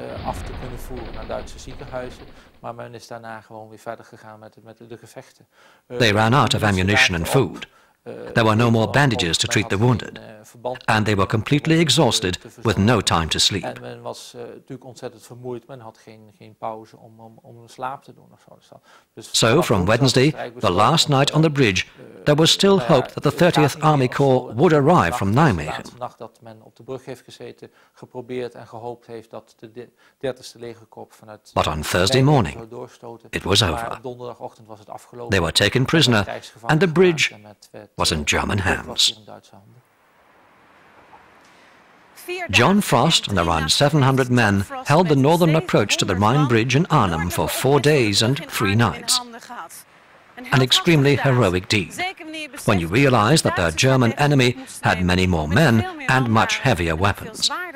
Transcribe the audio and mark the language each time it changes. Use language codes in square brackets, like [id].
[nl] Af te kunnen voeren naar Duitse ziekenhuizen, maar men is daarna gewoon weer verder gegaan met de gevechten. [en] They ran out of ammunition and food. There were no more bandages to treat the wounded, and they were completely exhausted with no time to sleep. [nl] En men was natuurlijk ontzettend vermoeid. Men had geen pauze om slaap te doen of zo. [en] So from Wednesday, the last night on the bridge, there was still hope that the 30th Army Corps would arrive from Nijmegen. [nl] De nacht dat men op de brug heeft gezeten, geprobeerd en gehoopt heeft dat de 30e legerkorps vanuit. [en] But on Thursday morning, it was over. [nl] Donderdagochtend was het afgelopen. [en] They were taken prisoner, and the bridge was in German hands. John Frost and around 700 men held the northern approach to the Rhine Bridge in Arnhem for 4 days and 3 nights. an extremely heroic deed, when you realize that their German enemy had many more men and much heavier weapons.